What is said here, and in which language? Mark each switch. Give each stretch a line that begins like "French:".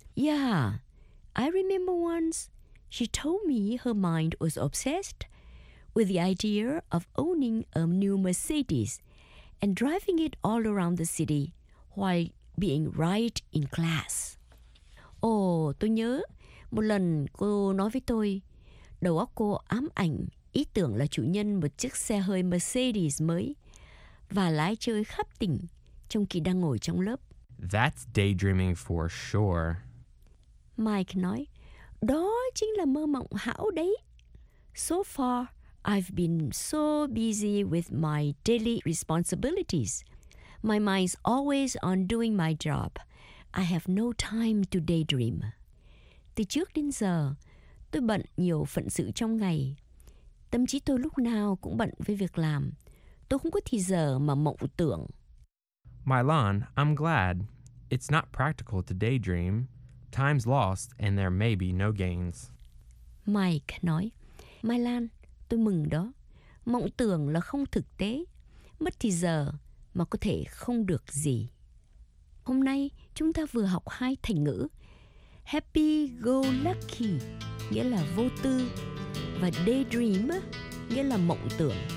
English: Yeah, I remember once, she told me her mind was obsessed with the idea of owning a new Mercedes and driving it all around the city while being right in class.
Vietnamese: Tôi nhớ một lần cô nói với tôi, đầu óc cô ám ảnh ý tưởng là chủ nhân một chiếc xe hơi Mercedes mới và lái chơi khắp tỉnh trong khi đang ngồi trong lớp.
English: That's daydreaming for sure.
Vietnamese: Mike nói, đó chính là mơ mộng hão đấy.
English: So far, I've been so busy with my daily responsibilities. My mind's always on doing my job. I have no time to daydream.
Vietnamese: Từ trước đến giờ, tôi bận nhiều phận sự trong ngày. Tâm trí tôi lúc nào cũng bận với việc làm. tôi không có thì giờ mà mộng tưởng.
English: Mylan, I'm glad. It's not practical to daydream. Time's lost and there may be no gains.
Vietnamese: Mike nói, Mylan, tôi mừng đó. Mộng tưởng là không thực tế. Mất thì giờ mà có thể không được gì. Hôm nay chúng ta vừa học hai thành ngữ. Happy go lucky nghĩa là vô tư, và daydream nghĩa là mộng tưởng.